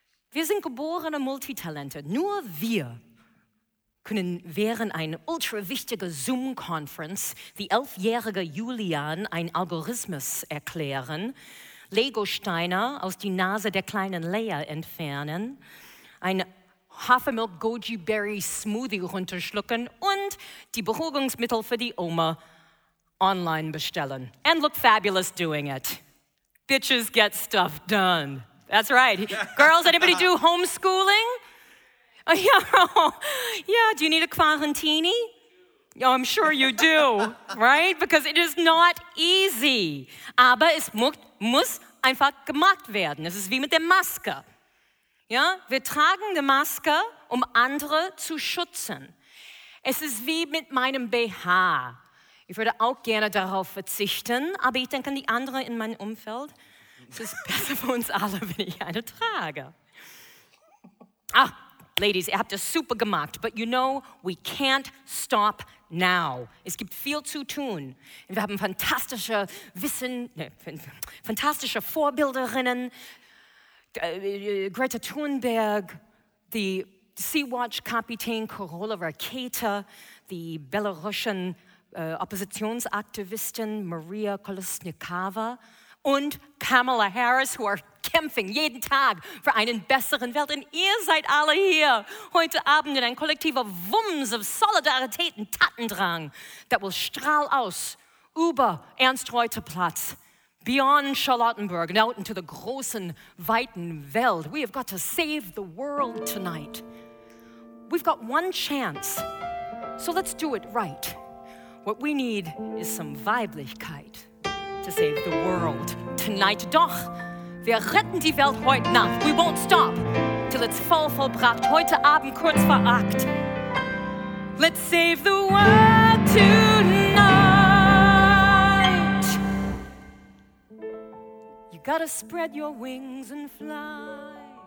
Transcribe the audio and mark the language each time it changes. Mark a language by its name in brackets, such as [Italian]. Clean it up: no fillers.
[German] Wir sind geborene Multitalente. Nur wir können während einer ultra-wichtigen Zoom-Conference die elfjährige Julian ein Algorithmus erklären, Lego-Steine aus die Nase der kleinen Leia entfernen, ein Hafermilch-Goji-Berry-Smoothie runterschlucken und die Beruhigungsmittel für die Oma online bestellen. [English] And look fabulous doing it. Bitches get stuff done. That's right. Girls, anybody do homeschooling? Yeah, do you need a quarantini? I'm sure you do, right? Because it is not easy. [German] Aber es muss einfach gemacht werden. Es ist wie mit der Maske. Ja? Wir tragen eine Maske, um andere zu schützen. Es ist wie mit meinem BH. Ich würde auch gerne darauf verzichten, aber ich denke an die anderen in meinem Umfeld. Es ist besser für uns alle, wenn ich eine trage. Ah, Ladies, ihr habt es super gemacht. [English] But you know, we can't stop now. [German] Es gibt viel zu tun. Wir haben fantastische Vorbilderinnen. Greta Thunberg, die Sea-Watch-Kapitän Carola Rakete, die belarussischen Oppositionsaktivistin Maria Kolesnikova und Kamala Harris, [English] who are [German] kämpfen jeden Tag für einen besseren Welt. Und ihr seid alle hier heute Abend in ein kollektiver Wumms of Solidarität und Tatendrang, [English] that will [German] strahl aus über Ernst-Reuter-Platz, [English] beyond Charlottenburg and out into the [German] großen, weiten Welt. [English] We have got to save the world tonight. We've got one chance, so let's do it right. What we need is some Weiblichkeit to save the world tonight. [German] Doch, wir retten die Welt heute Nacht. [English] We won't stop till it's [German] voll vollbracht. Heute Abend kurz vor acht. [English] Let's save the world tonight. You gotta spread your wings and fly.